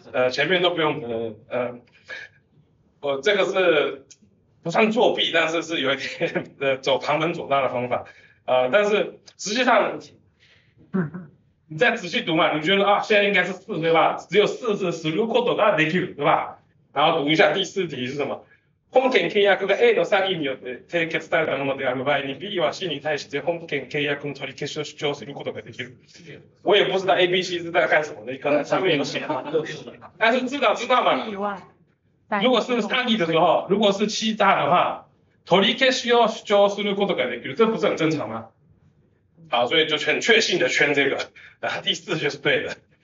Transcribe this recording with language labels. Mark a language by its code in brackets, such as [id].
[zh] 前面都不用，我这个是不算作弊，但是是有一点走旁门左道的方法，但是实际上，你再仔细读嘛，你觉得啊，现在应该是四对吧？只有四是十六个多大 DQ 对吧？然后读一下第四题是什么？ [ja] 本件契約が A の詐欺によって締結されたものである場合に B は C に対して本件契約の取り消しを主張することができる。 [zh] 我也不知道 ABC 是在干什么的，可能上面有写。但是知道嘛，如果是詐欺的时候，如果是欺诈的话， [ja] 取り消しを主張することができる， [zh] 这不是很正常吗？好，所以就很确信的圈这个，第四就是对的。